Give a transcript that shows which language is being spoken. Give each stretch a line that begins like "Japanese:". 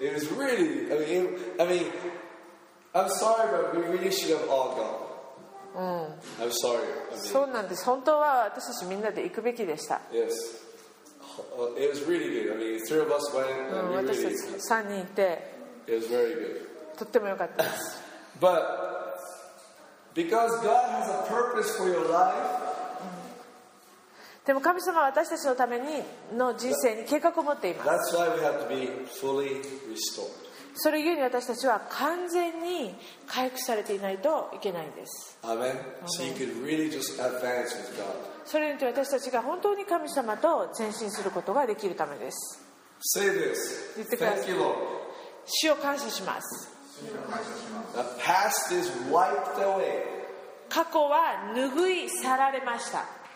English: It was really, I mean, I'm sorry, but we really should have all gone. I'm sorry. I mean,
Japanese: そうなんです。本当は私たちみんなで行くべきでした。
English: Yes. It was really good. I mean, three of us went. Really,
Japanese: 私たち3人いて。
English: It was very good.
Japanese: とっても良かったです。
English: But because God has a purpose for your life.
Japanese: でも神様は私たちのためにの人生に計画を持っています。
English: That's why we have to be fully restored.
Japanese: それゆえに私たちは完全に回復されていないといけないんです。
English: Amen. So you could really just advance with God.
Japanese: それによって私たちが本当に神様と前進することができるためです。
English: Say this.
Japanese: 言ってください。
English: Thank you, Lord.
Japanese: 主を感謝します。
English: The past is wiped away.
Japanese: 過去は拭い去られました。